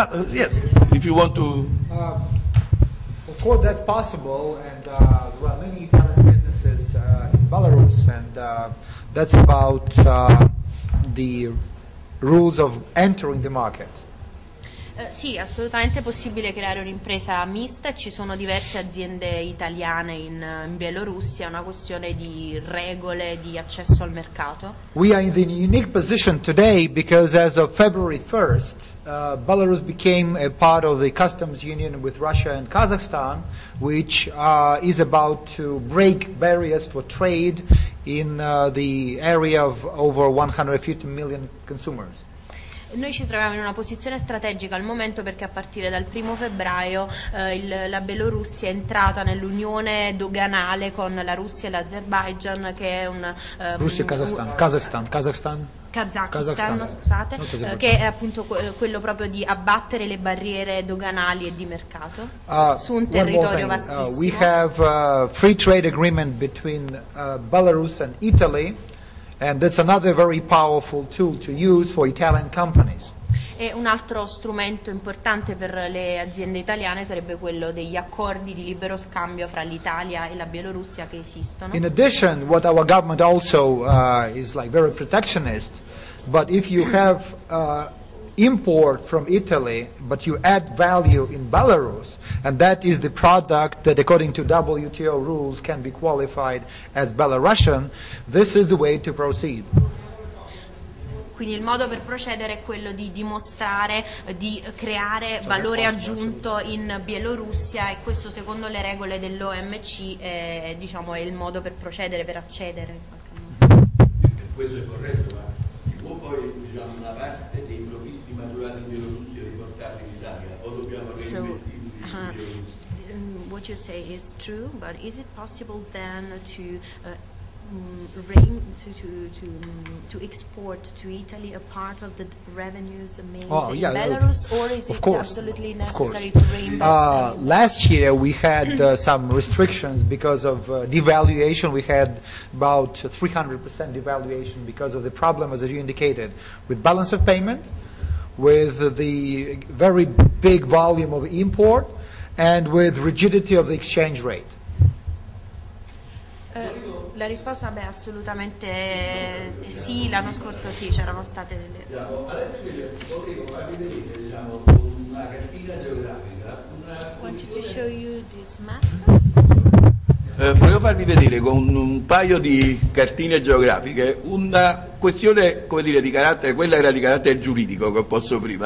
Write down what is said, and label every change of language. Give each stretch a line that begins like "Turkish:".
English: Yes, if you want to. Of course, that's possible, and there are many Italian businesses in Belarus, and that's about the rules of entering the market.
Italian: Sì, assolutamente è possibile creare un'impresa mista, ci sono diverse aziende italiane in Bielorussia, è una questione di regole di accesso al mercato.
English: We are in the unique position today because as of February 1st, Belarus became a part of the customs union with Russia and Kazakhstan, which is about to break barriers for trade in the area of over 150 million consumers.
Italian: Noi ci troviamo in una posizione strategica al momento perché a partire dal 1 febbraio la Bielorussia è entrata nell'unione doganale con la Russia e l'Azerbaigian, che è un Russia e Kazakhstan. Kazakhstan, scusate, che è appunto quello proprio di abbattere le barriere doganali e di mercato su un territorio vastissimo.
English: We have a free trade agreement between Belarus and Italy, and that's another very powerful tool to use for Italian companies.
Italian: E un altro strumento importante per le aziende italiane sarebbe quello degli accordi di libero scambio fra l'Italia e la Bielorussia che esistono.
English: In addition, what our government also is like very protectionist, but if you have import from Italy, but you add value in Belarus, and that is the product that according to WTO rules can be qualified as Belarusian, this is the way to proceed.
Italian: Quindi il modo per procedere è quello di dimostrare, di creare valore aggiunto in Bielorussia, e questo secondo le regole dell'OMC è il modo per procedere, per accedere. Questo è corretto, ma si può poi una parte dei profitti maturati in Bielorussia riportarli in Italia o dobbiamo reinvestirli in Bielorussia?
English: What you say is true, but is it possible then to to export to Italy a part of the revenues made in Belarus, or is it absolutely necessary to reinvest? Last year we had some restrictions because of devaluation. We had about 300% devaluation because of the problem, as you indicated, with balance of payment, with the very big volume of import, and with rigidity of the exchange rate.
Italian: La risposta è assolutamente sì, l'anno scorso sì, c'erano state delle... Diciamo, adesso volevo farvi vedere, diciamo, una cartina geografica.
English: Wanted to show you this map?
Italian: Volevo farvi vedere con un paio di cartine geografiche una questione, come dire, di carattere, quella era di carattere giuridico che ho posto prima.